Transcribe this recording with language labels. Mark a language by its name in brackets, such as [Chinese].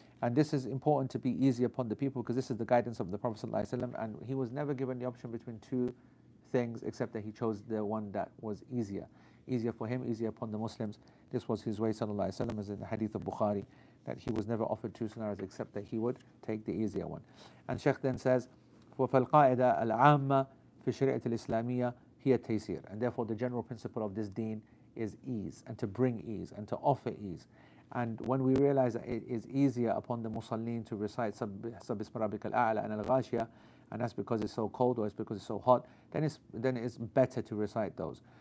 [English] And this is important to be easy upon the people, because this is the guidance of the Prophet ﷺ, and he was never given the option between two things, except that he chose the one that was easier. Easier for him, easier upon the Muslims. This was his way, sallallahu alayhi wa sallam, as in the hadith of Bukhari, that he was never offered two scenarios except that he would take the easier one. And Sheikh then says, [Arabic] فَالْقَاعِدَ الْعَامَّ فِي شَرِعَةِ الْإِسْلَامِيَّةِ هِيَ التَّيْسِيرِ. [English] And therefore the general principle of this deen is ease, and to bring ease, and to offer ease. And when we realize that it is easier upon the Musallin to recite سَبِّسْمَ رَبِّكَ الْأَعْلَى and الْغَاشِيَةِ, and that's because it's so cold or it's because it's so hot, then it's better to recite those.